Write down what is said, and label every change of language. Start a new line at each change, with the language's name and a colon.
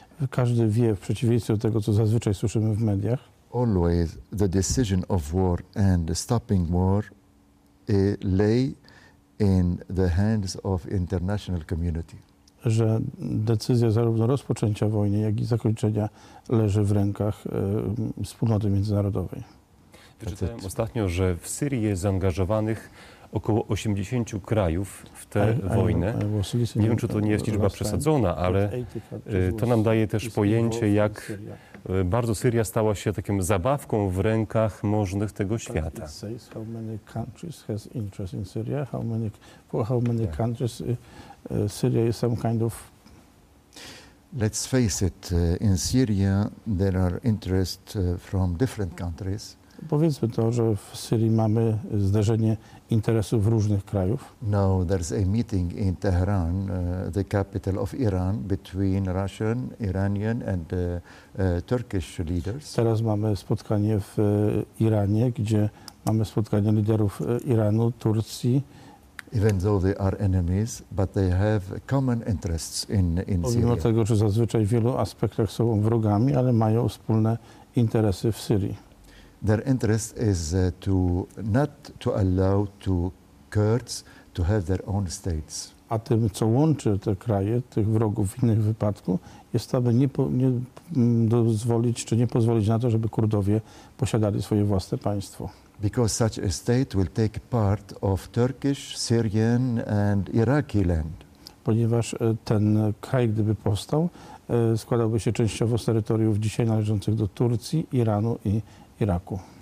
Polish: Każdy wie, w przeciwieństwie do tego, co zazwyczaj słyszymy w mediach.
English: Always the decision of war and stopping war lay in the hands of international community.
Polish: Że decyzja zarówno rozpoczęcia wojny, jak i zakończenia leży w rękach wspólnoty międzynarodowej. Wyczytałem ostatnio, że w Syrii jest zaangażowanych około 80 krajów w tę wojnę. Nie wiem, czy to nie jest liczba przesadzona, ale to nam daje też pojęcie, jak bardzo Syria stała się takim zabawką w rękach możnych tego świata.
English: How many countries has interest in Syria? How many countries Syria is some kind of... Let's face it, in Syria there are interest from different countries.
Polish: Powiedzmy to, że w Syrii mamy zderzenie interesów różnych krajów.
English: No, there's a meeting in Tehran, the capital of Iran, between Russian, Iranian and Turkish leaders.
Polish: Teraz mamy spotkanie w Iranie, gdzie mamy spotkanie liderów Iranu, Turcji.
English: Even though they are enemies, but they have common interests in Syria.
Polish: Pomimo tego, że zazwyczaj w wielu aspektach są wrogami, ale mają wspólne interesy w Syrii.
English: Their interest is to not to allow to Kurds to have their own states.
Polish: A tym, co łączy te kraje, tych wrogów w innych wypadku, jest to, aby nie dozwolić, czy nie pozwolić na to, żeby Kurdowie posiadali swoje własne państwo.
English: Because such a state will take part of Turkish, Syrian and Iraqi land.
Polish: ponieważ ten kraj, gdyby powstał, składałby się częściowo z terytoriów dzisiaj należących do Turcji, Iranu i Iraku.